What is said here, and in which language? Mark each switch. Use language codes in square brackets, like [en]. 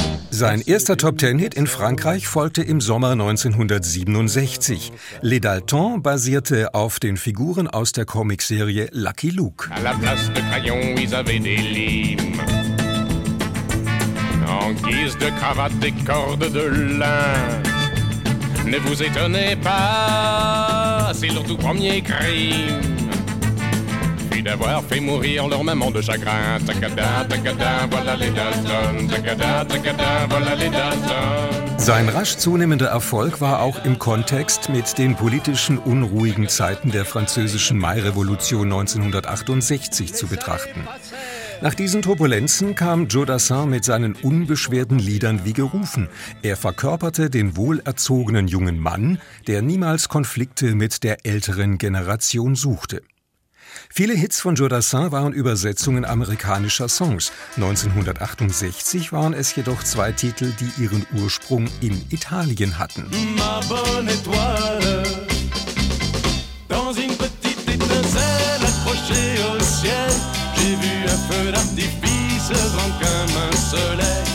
[de] Sein erster Top-Ten-Hit in Frankreich folgte im Sommer 1967. Les Daltons basierte auf den Figuren aus der Comicserie Lucky Luke. [fr] À la place de crayon, ils avaient des limes. En guise de cravate, des cordes de lin. Ne vous étonnez pas, c'est leur tout premier crime. D'avoir fait mourir leur maman de chagrin. Tacadin, tacadin, voilà les Dalton. Tacadin, tacadin, voilà les Dalton. [de] Sein rasch zunehmender Erfolg war auch im Kontext mit den politischen unruhigen Zeiten der französischen Mai-Revolution 1968 zu betrachten. Nach diesen Turbulenzen kam Joe Dassin mit seinen unbeschwerten Liedern wie gerufen. Er verkörperte den wohlerzogenen jungen Mann, der niemals Konflikte mit der älteren Generation suchte. Viele Hits von Joe Dassin waren Übersetzungen amerikanischer Songs. 1968 waren es jedoch zwei Titel, die ihren Ursprung in Italien hatten. [fr] Ma bonne étoile, dans une petite étincelle accrochée au ciel, j'ai vu un feu d'artifice grand comme un soleil.